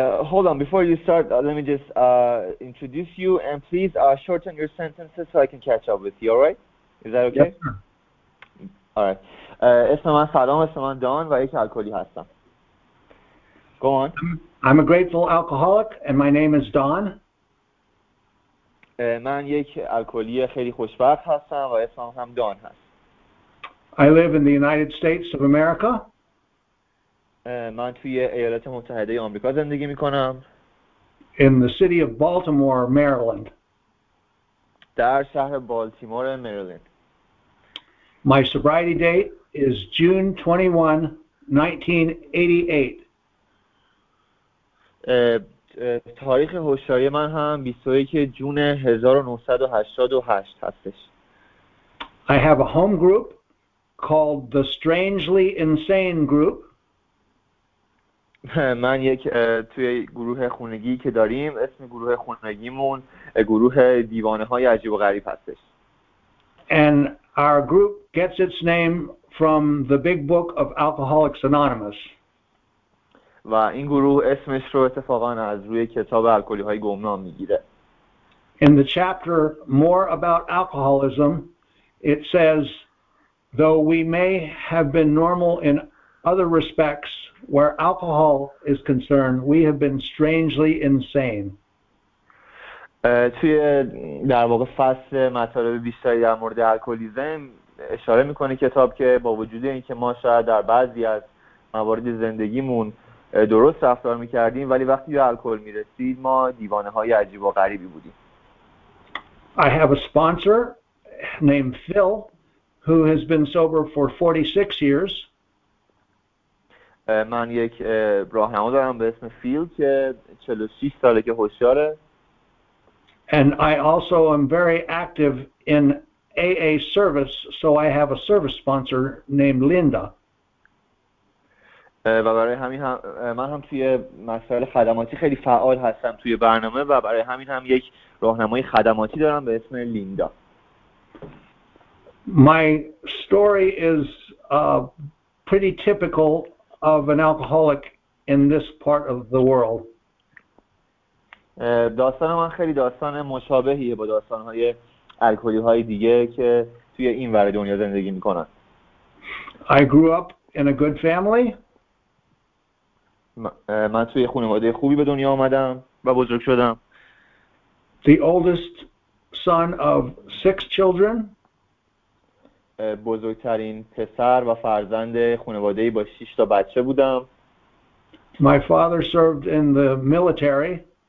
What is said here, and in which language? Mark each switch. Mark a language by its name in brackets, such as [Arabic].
[English] Hold on, before you start, let me just introduce you and please shorten your sentences so I can catch up with you, all right? Is that okay? Yes, sir. All right. [Persian] اسم من سلام، اسم من دان و یک الکلی هستم. [English] Go on. I'm a grateful alcoholic and my name is Don. [Persian] من یک الکلی خیلی خوشبخت هستم و اسمم هم دان هست. [English] I live in the United States of America. [Persian] من توی ایالات متحده آمریکا زندگی می‌کنم. [English] In the city of Baltimore, Maryland. [Persian] در شهر بالتیمور مریلند. [English] My sobriety date is June 21, 1988. [Persian] تاریخ هوشیاری من هم 21 جون 1988 هستش. [English] I have a home group called the Strangely Insane Group. [Persian] من یک توی گروه خانگی که داریم، اسم گروه خانگیمون گروه دیوانه های عجیب و غریب هستش. [English] And our group gets its name from the big book of Alcoholics Anonymous. [Persian] و این گروه اسمش رو اتفاقا از روی کتاب الکلی های گمنام میگیره. [English] In the chapter More About Alcoholism, it says, though we may have been normal in other respects where alcohol is concerned, we have been strangely insane. [Persian] توی در واقع فصل مطالب بیشتری در مورد الکلیزم اشاره میکنه کتاب که با وجود اینکه ما شاید در بعضی از موارد زندگیمون درست رفتار میکردیم، ولی وقتی به الکل میرسید ما دیوانه های عجیب و غریبی بودیم. [English] I have a sponsor named Phil who has been sober for 46 years. [Persian] من یک راهنما دارم به اسم فیل که 46 ساله که هوشیاره. [English] And I also am very active in AA service, so I have a service sponsor named Linda. [Persian] و برای همین من هم توی مسائل خدماتی خیلی فعال هستم توی برنامه و برای همین هم یک راهنمای خدماتی دارم به اسم لیندا. [English] My story is pretty typical of an alcoholic in this part of the world. [Persian] داستان من خیلی داستان مشابهیه با داستان‌های الکلی‌های دیگه که توی این ور دنیا زندگی می‌کنن. [English] I grew up in a good family. [Persian] من توی خانواده خوبی به دنیا آمدم و بزرگ شدم. [English] The oldest son of six children. [Persian] بزرگترین پسر و فرزند خانواده‌ای با 6 تا بچه بودم. [English] My father served in the military.